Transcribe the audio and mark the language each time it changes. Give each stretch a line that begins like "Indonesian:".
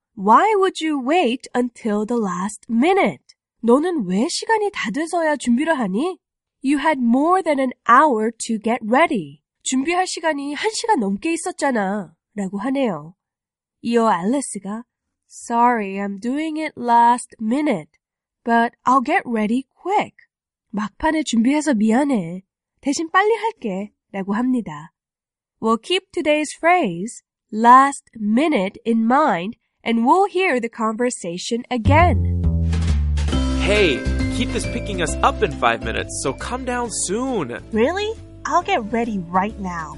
English: Why would you wait until the last minute?
Korean: 너는 왜 시간이 다 돼서야 준비를 하니?
English: You had more than an hour to get ready.
Korean: 준비할 시간이 한 시간 넘게 있었잖아. 라고 하네요. 이어 앨리스가
English: Sorry, I'm doing it last minute. But I'll get ready quick.
Korean: 막판에 준비해서 미안해. 대신 빨리 할게. 라고 합니다.
English: We'll keep today's phrase last minute in mind and we'll hear the conversation again. Hey, Keith is picking us up in 5 minutes, so come down soon. Really? I'll get ready right now.